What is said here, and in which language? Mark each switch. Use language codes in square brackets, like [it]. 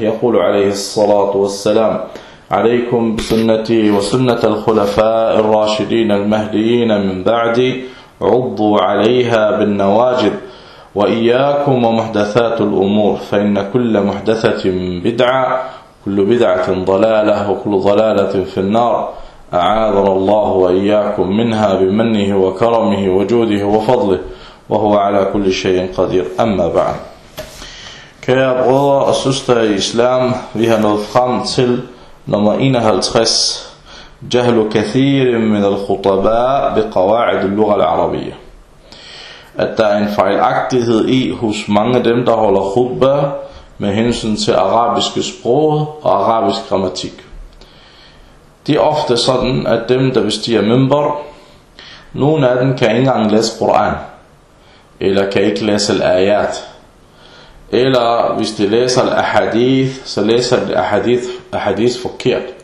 [ar] يقول عليه الصلاة والسلام: عليكم بسنتي وسنة الخلفاء الراشدين المهديين من بعدي عضوا عليها بالنواجذ وإياكم ومحدثات الأمور فإن كل محدثة بدعة كل بدعة ضلالة وكل ضلالة في النار أعاذنا الله وإياكم منها بمنه وكرمه وجوده وفضله وهو على كل شيء قدير. أما بعد، [da] kære brødre og søster i islam, vi har nået frem til nummer 51. [ar] جهل كثير من الخطباء بقواعد اللغة العربية. [da] At der er en fejlagtighed i hos mange af dem, der holder khutba, med hensyn til arabiske sprog og arabisk grammatik. Det er ofte sådan, at dem, der bestiger minbar, nogen af dem kan ikke engang læse Quran, eller kan ikke læse al-ayat, eller hvis de læser al-ahadith, så læser de al-ahadith forkert.